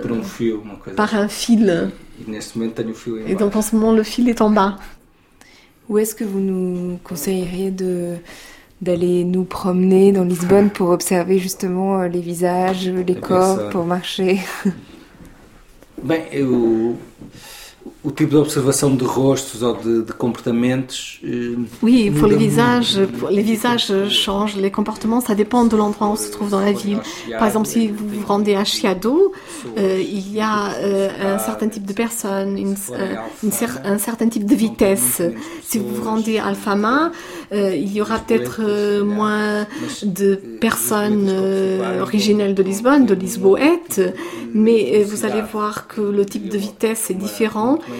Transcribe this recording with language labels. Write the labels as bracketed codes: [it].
[fr] par un fil. [pt] Uma coisa [fr] par un fil. Et donc en ce moment, le fil est en bas. Où est-ce que vous nous conseilleriez d'aller nous promener dans Lisbonne pour observer justement les visages, les corps, pour marcher? [pt] Bem, o tipo de observação de rostos ou de comportamentos... [fr] Oui, pour les visages changent, les comportements, ça dépend de l'endroit où on se trouve dans la ville. Par exemple, si vous vous rendez à Chiado, il y a un certain type de personne, un certain type de vitesse. Si vous vous rendez à Alfama, il y aura peut-être moins de personnes originelles de Lisbonne, de Lisboète, mais vous allez voir que le type de vitesse est différent.